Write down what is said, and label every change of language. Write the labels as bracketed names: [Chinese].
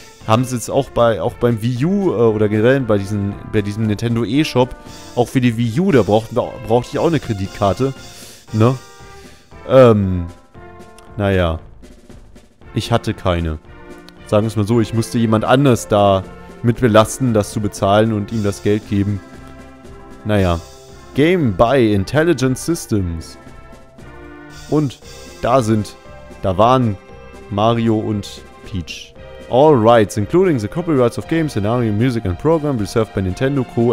[German] Haben sie jetzt auch beim Wii U oder generell bei diesem Nintendo eShop, auch für die Wii U, da brauchte ich auch eine Kreditkarte, ne? Naja, ich hatte keine. Sagen wir es mal so, ich musste jemand anders da mit belasten, das zu bezahlen und ihm das Geld geben. [English] Naja, Game by Intelligent Systems. [German] Und da waren Mario und Peach. [English] All rights, including the copyrights of games, scenario, music and program, reserved by Nintendo Co.